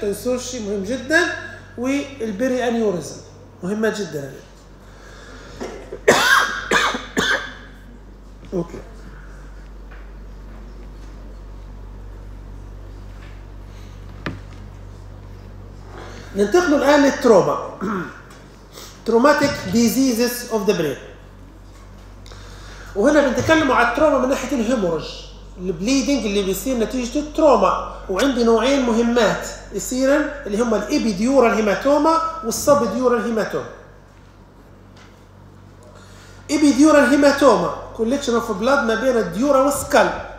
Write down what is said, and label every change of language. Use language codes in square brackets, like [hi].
[ar] تنسوش شيء مهم جدا، والبيري انيوريزم مهمة جدا. اوكي، ننتقل الان للتروما. [en] Traumatic diseases of the brain. [ar] وهنا بنتكلم على التروما من ناحية الهيموروج، البليدنج اللي بيصير نتيجة التروما. وعندي نوعين مهمات يصيرن اللي هم الإبيديورال هيماتوما والسبديورال هيماتوما. إبيديورال هيماتوما كولكشن اوف بلاد ما بين الديورا والسكال.